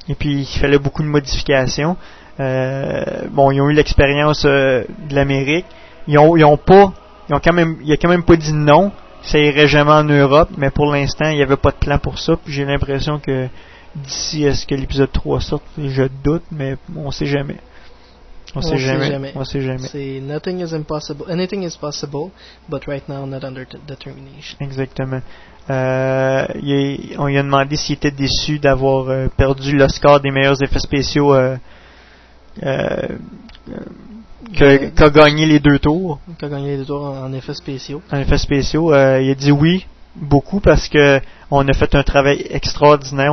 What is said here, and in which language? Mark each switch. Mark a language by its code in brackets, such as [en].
[fr] Et puis, il fallait beaucoup de modifications. Bon, ils ont eu l'expérience de l'Amérique. Il a quand même pas dit non. Ça irait jamais en Europe, mais pour l'instant, il n'y avait pas de plan pour ça. Puis j'ai l'impression que d'ici à ce que l'épisode 3 sorte, je doute, mais on ne sait jamais. On ne sait jamais. C'est « [en] Nothing is impossible. Anything is possible, but right now not under determination. » [fr] Exactement. On lui a demandé s'il était déçu d'avoir perdu l'Oscar des meilleurs effets spéciaux qu'a gagné les deux tours. Qu'a gagné les deux tours en effets spéciaux. En effets spéciaux. Il a dit oui, beaucoup, parce que on a fait un travail extraordinaire.